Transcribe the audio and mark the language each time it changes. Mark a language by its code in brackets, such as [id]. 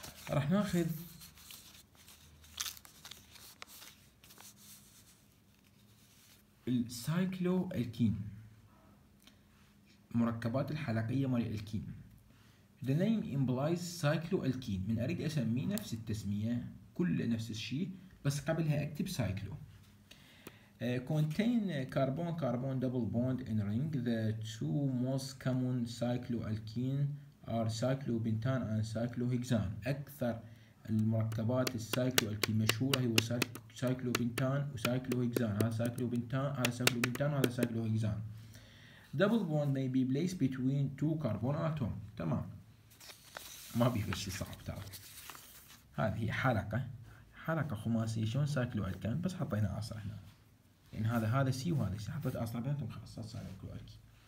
[ar] راح ناخذ السايكلو الكين، مركبات الحلقية مال الكين. [en] The name implies cycloalkane. [ar] من أريد أسمي نفس التسمية، كل نفس الشيء، بس قبلها أكتب سايكلو. [en] Contain carbon-carbon double bond in ring. The two most common cycloalkane are cyclobentan and cyclohexan. [ar] أكثر المركبات السايكلو الكين مشهورة هو سايكلوبنتان وسايكلوهيكزان. هذا سايكلوبنتان، هذا سايكلوبنتان، هذا سايكلوهيكزان. [en] Double bond may be place between two carbon atom. [ar] تمام، ما بيفش صعب ترى. هذه حلقة، حلقة خماسية، شلون سايكلو الكين، بس حطينا عصر هنا، لأن هذا سي وهذا سي، حطيت عصر بينهم خلاص سايكلو الكين.